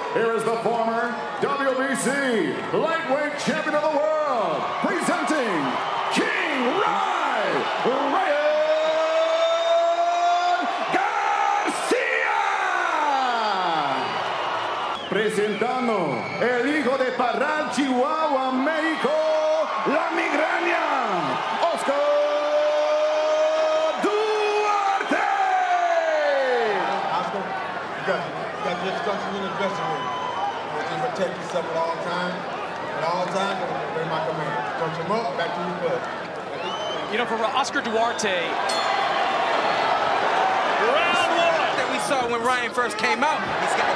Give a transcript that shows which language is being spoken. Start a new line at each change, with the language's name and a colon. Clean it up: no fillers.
English: Here is the former WBC lightweight champion of the world, presenting King Ry Garcia!
Spanish: Presentando el hijo de Parral, Chihuahua, México, la migraña, Oscar Duarte!
English: Oscar, you got your instructions in the dressing room. Protect yourself at all times. At all times, obey my command. Coach him up, back to your foot. You know, for Oscar Duarte, round one that we saw when Ryan first came out, he's got it.